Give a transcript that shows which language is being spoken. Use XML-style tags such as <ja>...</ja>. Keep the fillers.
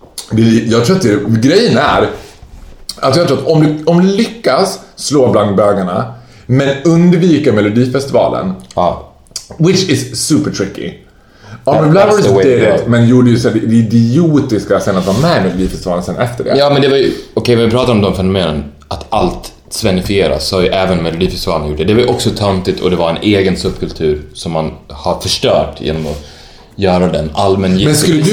<sv>Det, jag tror att det, grejen är att jag tror att om du, om du lyckas slå bland bögarna men undvika Melodifestivalen.</sv> <en>Uh, which is super tricky.</en> <sv>Ja, men Blair Witch det, men gjorde ju så det idiotiska sen att vara med i Melodifestivalen sen efter det. Ja, men det var ju... Okej, okay, vi pratar om de fenomenen. Att allt svenifieras, så har ju även Melodifestivalen gjort det. Det var ju också töntigt och det var en egen subkultur som man har förstört genom att göra den allmängiltig. Jättekul- du...</sv>